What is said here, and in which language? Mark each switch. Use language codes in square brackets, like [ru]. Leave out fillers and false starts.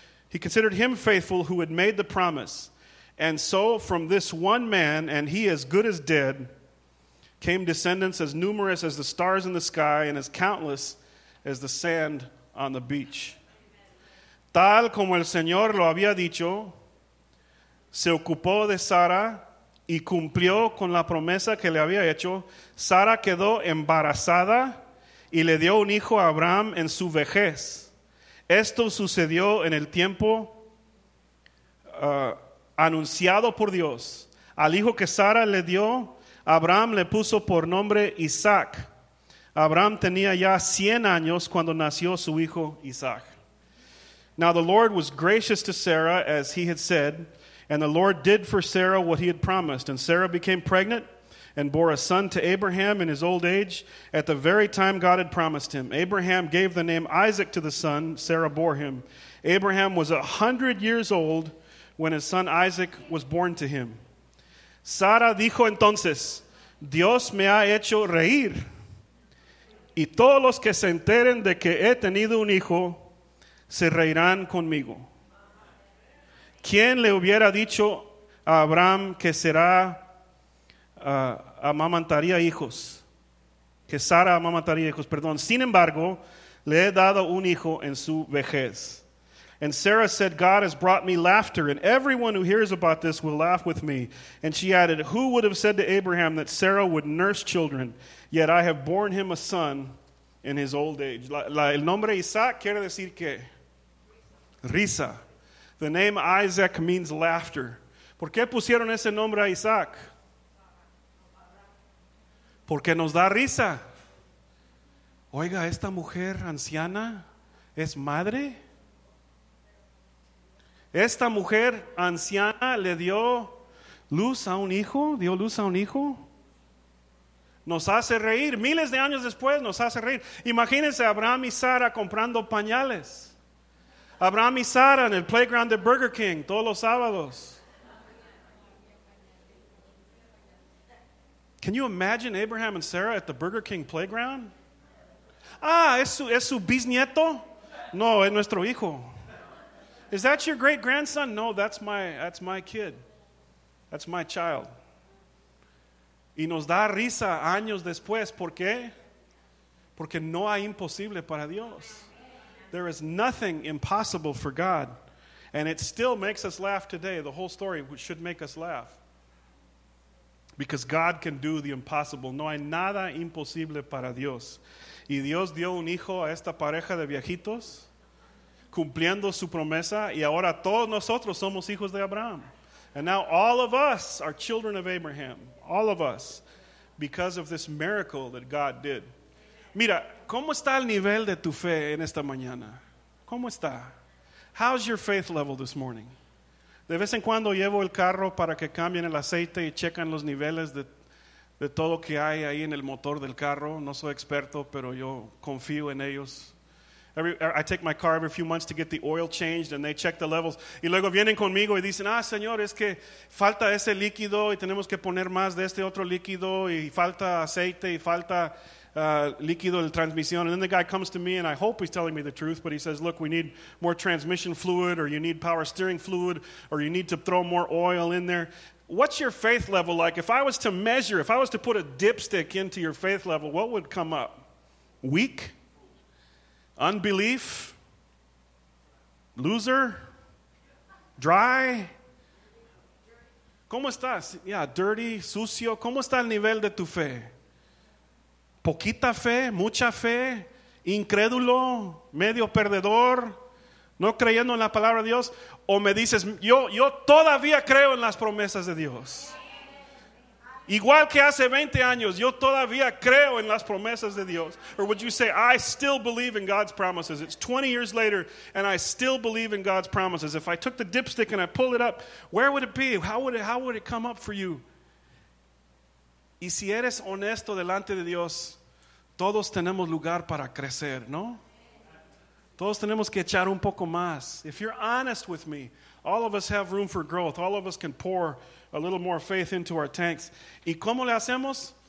[en] He considered him faithful who had made the promise. And so from this one man, and he as good as dead, came descendants as numerous as the stars in the sky and as countless as the sand on the beach. [es] Tal como el Señor lo había dicho, se ocupó de Sara y cumplió con la promesa que le había hecho. Sara quedó embarazada y le dio un hijo a Abraham en su vejez. Esto sucedió en el tiempo anunciado por Dios. Al hijo que Sara le dio, Abraham le puso por nombre Isaac. Abraham tenía ya 100 años cuando nació su hijo Isaac. [en] Now the Lord was gracious to Sarah, as he had said, and the Lord did for Sarah what he had promised. And Sarah became pregnant and bore a son to Abraham in his old age at the very time God had promised him. Abraham gave the name Isaac to the son Sarah bore him. Abraham was 100 years old when his son Isaac was born to him. [es] Sara dijo entonces, Dios me ha hecho reír. Y todos los que se enteren de que he tenido un hijo se reirán conmigo. ¿Quién le hubiera dicho a Abraham que será amamantaría hijos? Que Sara amamantaría hijos, perdón. Sin embargo, le he dado un hijo en su vejez. [en] And Sarah said, God has brought me laughter, and everyone who hears about this will laugh with me. And she added, who would have said to Abraham that Sarah would nurse children? Yet I have borne him a son in his old age. [es] El nombre Isaac quiere decir que risa. [en] The name Isaac means laughter. [es] ¿Por qué pusieron ese nombre a Isaac? Porque nos da risa. Oiga, esta mujer anciana es madre. Esta mujer anciana le dio luz a un hijo, dio luz a un hijo. Nos hace reír, miles de años después nos hace reír. Imagínense Abraham y Sara comprando pañales. Abraham y Sara en el playground de Burger King todos los sábados. [en] Can you imagine Abraham and Sarah at the Burger King playground? [es] Ah, ¿es su bisnieto? No, es nuestro hijo. [en] Is that your great grandson? No, that's my kid. That's my child. [es] Y nos da risa años después. ¿Por qué? Porque no hay imposible para Dios. [en] There is nothing impossible for God. And it still makes us laugh today. The whole story should make us laugh. Because God can do the impossible. [es] No hay nada imposible para Dios. Y Dios dio un hijo a esta pareja de viejitos, cumpliendo su promesa, y ahora todos nosotros somos hijos de Abraham. [en] And now all of us are children of Abraham. All of us. Because of this miracle that God did. [es] Mira, ¿cómo está el nivel de tu fe en esta mañana? ¿Cómo está? [en] How's your faith level this morning? [es] De vez en cuando llevo el carro para que cambien el aceite y checan los niveles de todo que hay ahí en el motor del carro. No soy experto, pero yo confío en ellos. [en] I take my car every few months to get the oil changed, and they check the levels. [es] Y luego vienen conmigo y dicen, ah, señor, es que falta ese líquido y tenemos que poner más de este otro líquido y falta aceite y falta líquido de transmisión. [en] And then the guy comes to me, and I hope he's telling me the truth, but he says, look, we need more transmission fluid, or you need power steering fluid, or you need to throw more oil in there. What's your faith level like? If I was to measure, if I was to put a dipstick into your faith level, what would come up? Weak? Unbelief, loser, dry, [es] ¿cómo estás? [en] Yeah, dirty, [es] sucio, ¿cómo está el nivel de tu fe? ¿Poquita fe, mucha fe, incrédulo, medio perdedor, no creyendo en la palabra de Dios? ¿O me dices, yo todavía creo en las promesas de Dios? Igual que hace 20 años, yo todavía creo en las promesas de Dios. [en] Or would you say, I still believe in God's promises. It's 20 years later, and I still believe in God's promises. If I took the dipstick and I pulled it up, where would it be? How would it come up for you? [es] Y si eres honesto delante de Dios, todos tenemos lugar para crecer, ¿no? Todos tenemos que echar un poco más. [en] If you're honest with me, all of us have room for growth. All of us can pour a little more faith into our tanks. [es] ¿Y cómo le hacemos?